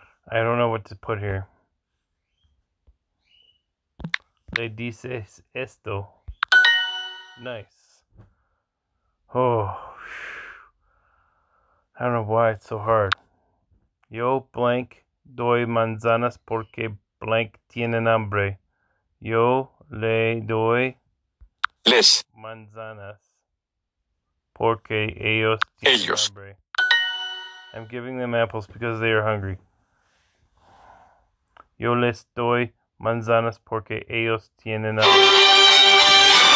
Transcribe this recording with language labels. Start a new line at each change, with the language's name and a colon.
English: I don't know what to put here.
Spanish: Le dices esto. Nice.
English: Oh, I don't know why it's so hard.
Spanish: Yo blank doy manzanas porque blank tienen hambre. Yo le doy les manzanas porque ellos tienen ellos hambre.
English: I'm giving them apples because they are hungry.
Spanish: Yo les doy manzanas porque ellos tienen hambre.